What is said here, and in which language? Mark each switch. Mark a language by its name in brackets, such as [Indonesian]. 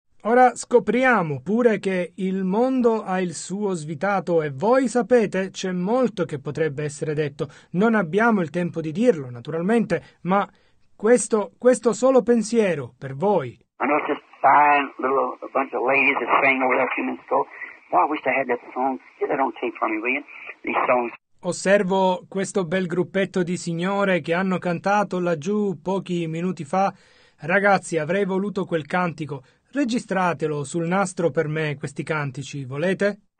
[Italian] Ora scopriamo pure che il mondo ha il suo svitato e voi sapete c'è molto che potrebbe essere detto. Non abbiamo il tempo di dirlo, naturalmente, ma questo solo pensiero per voi. [English] I know it's just fine little bunch of ladies that sang over there a few minutes ago. Boy, I wish I had that song. Get that on tape for me, will you? These songs. [Italian] Osservo questo bel gruppetto di signore che hanno cantato laggiù pochi minuti fa. Ragazzi, avrei voluto quel cantico. Registratelo sul nastro per me, questi cantici, volete?